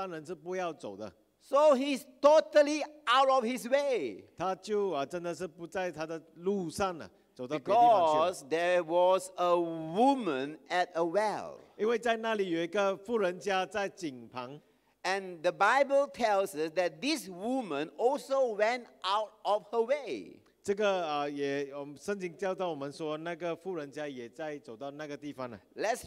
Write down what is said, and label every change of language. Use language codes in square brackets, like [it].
[zh] 但不然单单他要经过这个撒玛利亚，他还走到这个西加这个地方。那个西加是在路的最尾端，其实一般人是不要走的。So [en] he's totally out of his way. [zh] 他就真的是不在他的路上了，走到别的地方去了。Because [en] there was a woman at a well. [zh] 因为在那里有一个妇人家在井旁。And [en] the Bible tells us that this woman also went out of her way. [zh] 这个也，圣经教导我们说，那个妇人家也在走到那个地方了。Let's